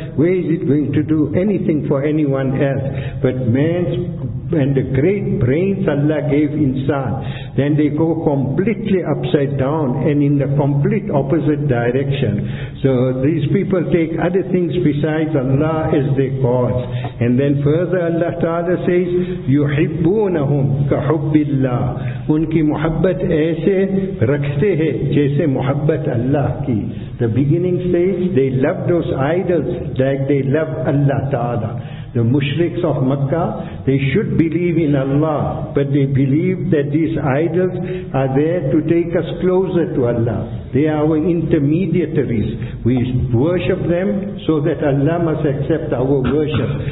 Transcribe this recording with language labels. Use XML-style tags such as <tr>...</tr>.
<en>Where is it going to do anything for anyone else? But man's, and the great brains Allah gave insan, then they go completely upside down and in the complete opposite direction. So these people take other things besides Allah as their cause. And then further Allah Ta'ala says,</en> <ar>يُحِبُّونَهُمْ كَحُبِّ اللَّهِ,</ar> <ur>ان کی محبت ایسے رکھتے ہیں جیسے محبت اللہ کی.</ur> <en>The beginning says, they love those idols like they love Allah Ta'ala. The mushriks of Makkah, they should believe in Allah, but they believe that these idols are there to take us closer to Allah. They are our intermediaries. We worship them so that Allah must accept our worship.</en>